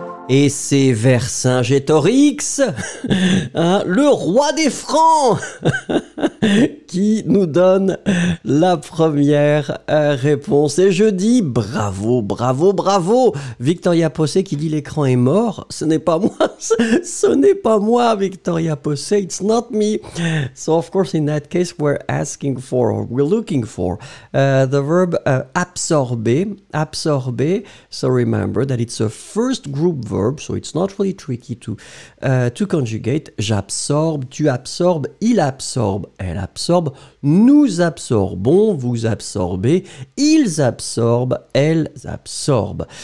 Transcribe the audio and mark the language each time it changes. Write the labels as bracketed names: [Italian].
[French] Et c'est Vercingétorix, hein, le roi des Francs, qui nous donne la première réponse. Et je dis bravo, bravo, bravo. Victoria Posse qui dit l'écran est mort. Ce n'est pas moi, ce n'est pas moi, Victoria Posse. [English] It's not me. So of course, in that case, we're asking for, or we're looking for the verb absorber. Absorber. So remember that it's a first group verb. So it's not really tricky to conjugate. [French] J'absorbe, tu absorbes, il absorbe, elle absorbe, nous absorbons, vous absorbez, ils absorbent, elles absorbent.